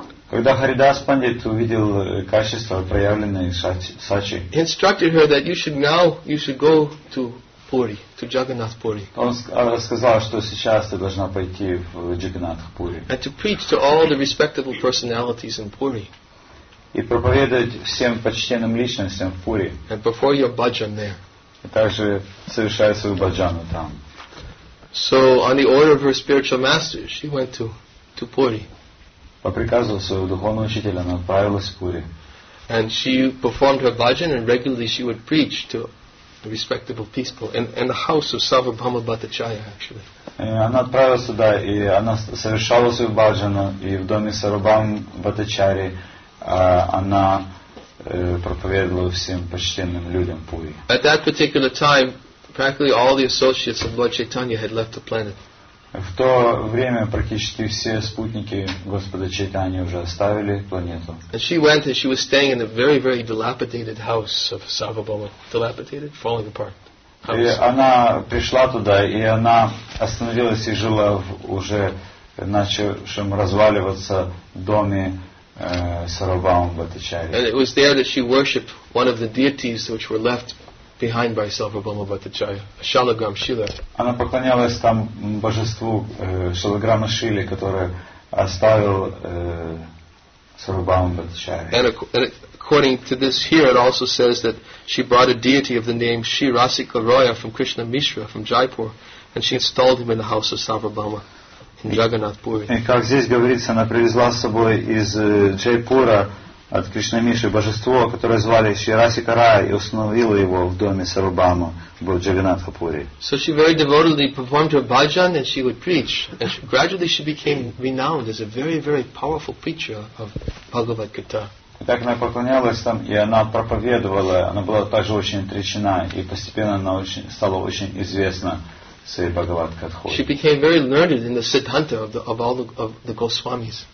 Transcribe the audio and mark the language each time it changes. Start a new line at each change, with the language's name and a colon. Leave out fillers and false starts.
Russian: Когда Харидас Пандит увидел качества, проявленные Сачи,
English: instructed her that you should go to Puri, to Jagannath Puri.
Russian: Он сказал, что сейчас ты должна пойти в Джагнатх Пури.
English: And to preach to all the respectable personalities in Puri.
Russian: И проповедовать всем почтенным личностям в Пури.
English: And perform your bhajan there.
Russian: И также совершая свою bhajana там.
English: So on the order of her spiritual master, she went to Puri.
Russian: По приказу своего духовного учителя она отправилась в Пури.
English: And she performed her bhajan and regularly she would preach to respectable people in the house of Savabhama Bhattacharya actually.
Russian: Она отправилась туда и она совершала свою bhajana и в доме Сарабхам Бхаттачарьи она проповедовала всем почтенным людям Пури.
English: At that particular time, practically all the associates of Lord Chaitanya had left the planet.
Russian: В то время практически все спутники Господа Чайтаньи уже оставили планету.
English: And she went and she was staying in a very, very dilapidated house of Savabhama. Dilapidated, falling apart.
Russian: И она пришла туда, и она остановилась и жила в уже начавшем разваливаться доме Сарабхама Бхаттачарьи.
English: And it was there that she worshipped one of the deities which were left behind by Savabhama Bhattacharya, Shalagram Shila.
Russian: Она поклонялась там божеству Шалаграма Шили, которое оставил Сарабхама Бхаттачарья.
English: And according to this here, it also says that she brought a deity of the name Shri Rasika Roya from Krishna Mishra, from Jaipur, and she installed him in the house of Savabhama in Jagannath Puri.
Russian: И как здесь говорится, она привезла с собой из Джайпура от Кришна Миши божество, которое звали Шри Расика Рая, и установило его в доме Сарабхама в Джагнатха Пури.
English: So she very devotedly performed her bhajan and she would preach. And gradually she became renowned as a very, very powerful preacher of Bhagavad Gita.
Russian: Так она поклонялась там, и она проповедовала, она была также очень отречена, и постепенно она стала очень известна своей Бхагавад Гатхой.
English: She became very learned in the Siddhanta of the Goswamis.